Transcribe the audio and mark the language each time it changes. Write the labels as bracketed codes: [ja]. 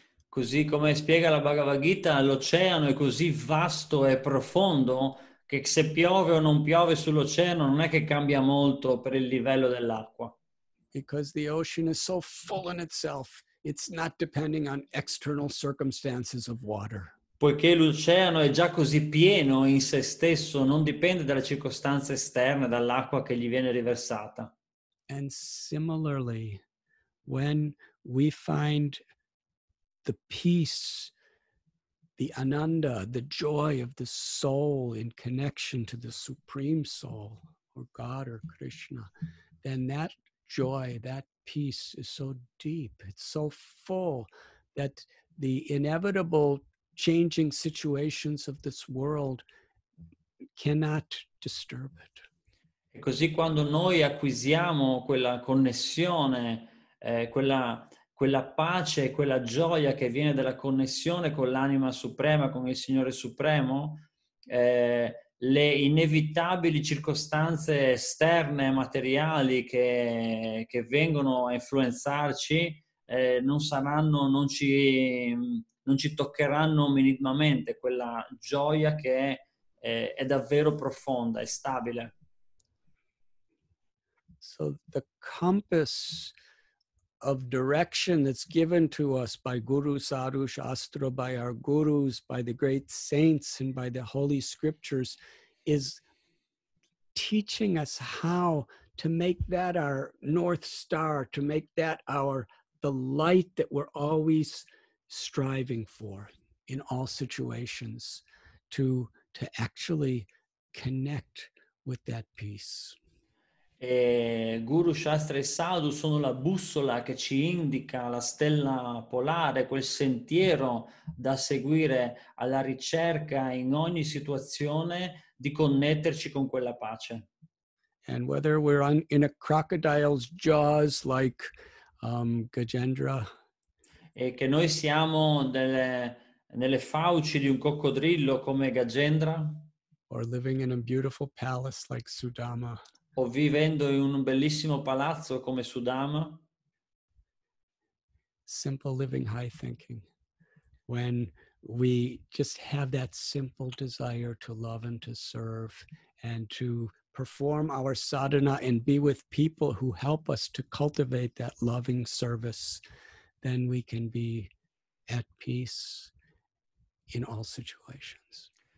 [it] Così come spiega la Bhagavad Gita, l'oceano è così vasto e profondo che se piove o non piove sull'oceano non è che cambia molto per il livello dell'acqua. [en] Because the ocean is so full in itself, it's not depending on external circumstances of water. [it] Poiché l'oceano è già così pieno in se stesso, non dipende dalle circostanze esterne, dall'acqua che gli viene riversata. [en] And similarly, when we find the peace, the ananda, the joy of the soul in connection to the Supreme Soul, or God or Krishna, then that joy, that peace is so deep, it's so full that the inevitable changing situations of this world cannot disturb it. [it] E così quando noi acquisiamo quella connessione, quella pace, quella gioia che viene dalla connessione con l'anima suprema, con il Signore Supremo, le inevitabili circostanze esterne materiali che vengono a influenzarci non ci toccheranno minimamente quella gioia che è davvero profonda, è stabile. [en] So the compass of direction that's given to us by Guru Sadhu Shastra, by our gurus, by the great saints and by the holy scriptures is teaching us how to make that our North Star, to make that the light that we're always striving for in all situations to actually connect with that peace. [it] E Guru Shastra e Sadhu sono la bussola che ci indica la stella polare, quel sentiero da seguire alla ricerca in ogni situazione di connetterci con quella pace. [en] And whether we're in a crocodile's jaws like Gajendra. [it] E che noi siamo nelle fauci di un coccodrillo come Gajendra. [en] Or living in a beautiful palace like Sudama. [it] O vivendo in un bellissimo palazzo come Sudama. [en] Simple living, high thinking. When we just have that simple desire to love and to serve and to perform our sadhana and be with people who help us to cultivate that loving service, then we can be at peace in all situations.